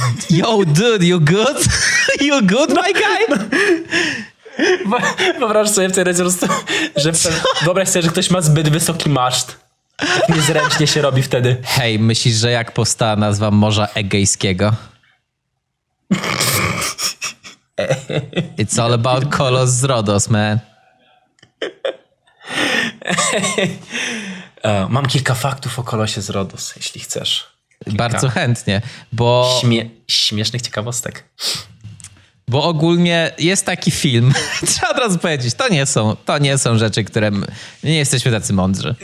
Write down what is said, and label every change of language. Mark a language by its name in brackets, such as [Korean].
[English] Yo, dude, you good? You good, my guy? [Polish] Wyobraź sobie w tej rezerwie, że wyobraź sobie, że ktoś ma zbyt wysoki maszt. Tak niezręcznie się robi wtedy. Hej, myślisz, że jak powstała nazwa Morza Egejskiego? [English] It's all about Kolos z Rodos, man. [Polish] Mam kilka faktów o Kolosie z Rodos, jeśli chcesz. Kilka. Bardzo chętnie, bo... Śmiesznych ciekawostek. Bo ogólnie jest taki film, trzeba od razu powiedzieć, to nie są rzeczy, które nie jesteśmy tacy mądrzy.